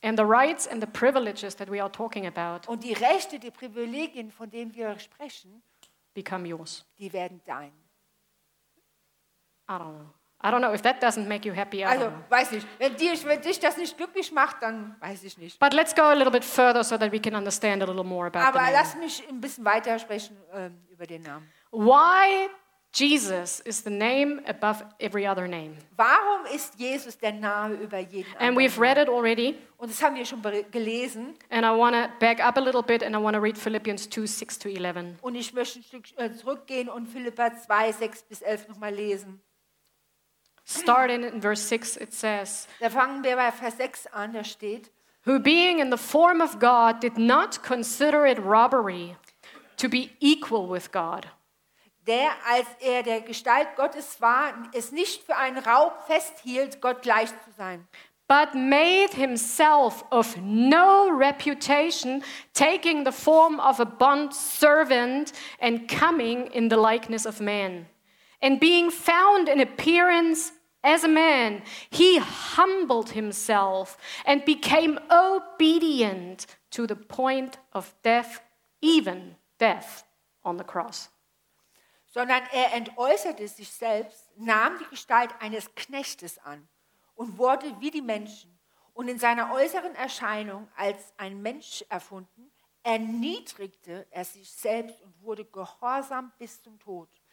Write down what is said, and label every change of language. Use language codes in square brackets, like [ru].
[en] And the rights and the privileges that we are talking about. [de] Und die Rechte, die Privilegien, von denen wir sprechen, [en] become yours. [de] Die werden dein. [en] I don't know. I don't know if that doesn't make you happy. [de] Also, weiß nicht. Wenn dich das nicht glücklich macht, dann weiß ich nicht. [en] But let's go a little bit further so that we can understand a little more about [de] Aber [en] the name. [de] Lass mich ein bisschen weiter sprechen über den Namen. [en] Why Jesus is the name above every other name? [de] Warum ist Jesus der Name über jeden anderen? [en] And we've read it already. [de] Und das haben wir schon gelesen. [en] And I want to back up a little bit and I want to read Philippians 2, 6 to 11. [de] Und ich möchte ein Stück zurückgehen und Philipper 2, 6 bis 11 nochmal lesen. [en] Starting in verse 6, it says, [de] da fangen wir bei Vers 6 an, da steht, [en] who being in the form of God did not consider it robbery to be equal with God. [de] Der, als er der Gestalt Gottes war, es nicht für einen Raub festhielt, Gott gleich zu sein. [en] But made himself of no reputation, taking the form of a bond servant and coming in the likeness of man. And being found in appearance as a man, he humbled himself and became obedient to the point of death, even death on the cross. [de] Sondern er entäußerte sich selbst, nahm die Gestalt eines Knechtes an und wurde wie die Menschen und in seiner äußeren Erscheinung als ein Mensch erfunden, erniedrigte er sich selbst und wurde gehorsam bis zum Tod.